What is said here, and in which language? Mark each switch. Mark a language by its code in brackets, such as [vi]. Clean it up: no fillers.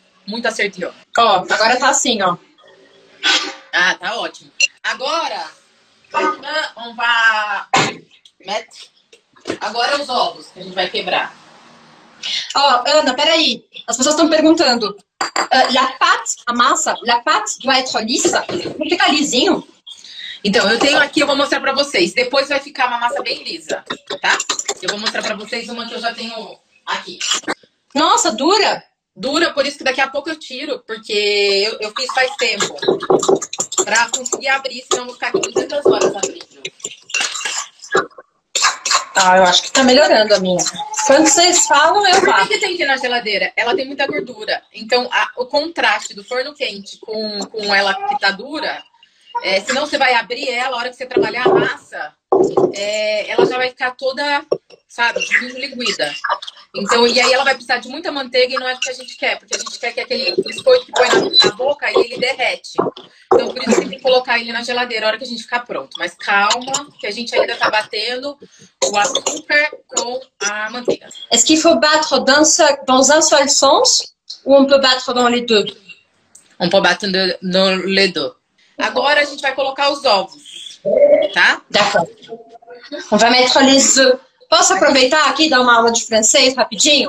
[pt] Muito acerto e erro. Ó, agora tá assim, ó. Ah, tá ótimo. Agora, vamos pra... Agora os ovos, que a gente vai quebrar. Ó, Ana, peraí. As pessoas estão perguntando. [fr] La pâte, [pt] a massa, [fr] la pâte doit être lisa? [pt] Não fica lisinho? Então, eu tenho aqui, eu vou mostrar pra vocês. Depois vai ficar uma massa bem lisa, tá? Eu vou mostrar pra vocês uma que eu já tenho aqui. Nossa, dura? Dura, por isso que daqui a pouco eu tiro, porque eu fiz faz tempo. Pra conseguir abrir, senão eu vou ficar aqui 200 horas abrindo. Ah, eu acho que tá melhorando a minha. Quando vocês falam, eu faço. O que tem aqui na geladeira? Ela tem muita gordura. Então, o contraste do forno quente com ela que tá dura... senão você vai abrir ela, a hora que você trabalhar a massa, ela já vai ficar toda, sabe, desliguida. Então, e aí ela vai precisar de muita manteiga e não é o que a gente quer, porque a gente quer que aquele biscoito que põe na boca, ele derrete. Então, por isso que tem que colocar ele na geladeira, a hora que a gente ficar pronto. Mas calma, que a gente ainda tá batendo o açúcar com a manteiga. [fr] Est-ce qu'il faut battre dans un seul sens ou on peut battre dans les deux? On peut battre dans les deux. [pt] Agora a gente vai colocar os ovos, tá? [fr] D'accord. On va mettre les œufs. [pt] Posso aproveitar aqui e dar uma aula de francês rapidinho?